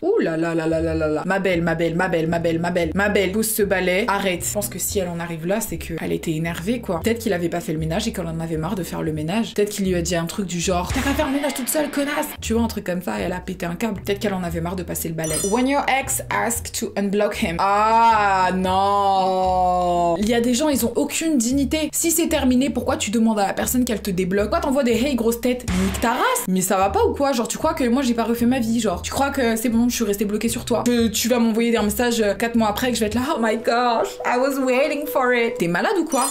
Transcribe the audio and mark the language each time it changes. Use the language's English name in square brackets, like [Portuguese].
[French] Ouh là là là là là là là. Ma belle, ma belle, ma belle, ma belle, ma belle, ma belle. Pousse ce balai, arrête. Je pense que si elle en arrive là, c'est qu'elle était énervée, quoi. Peut-être qu'il avait pas fait le ménage et qu'elle en avait marre de faire le ménage. Peut-être qu'il lui a dit un truc du genre t'as pas fait le ménage toute seule, connasse. Tu vois, un truc comme ça, et elle a pété un câble. Peut-être qu'elle en avait marre de passer le balai. [English] When your ex asks to unblock him. [French] Ah non. Il y a des gens, ils ont aucune dignité. Si c'est terminé, pourquoi tu demandes à la personne qu'elle te débloque? Pourquoi t'envoies des hey grosse tête, nique ta race? Mais ça va pas ou quoi? Genre, tu crois que moi j'ai pas refait ma vie? Genre, tu crois que c'est bon, je suis restée bloquée sur toi? Que tu vas m'envoyer des messages 4 mois après et que je vais être là, [English] oh my gosh, I was waiting for it. [French] T'es malade ou quoi?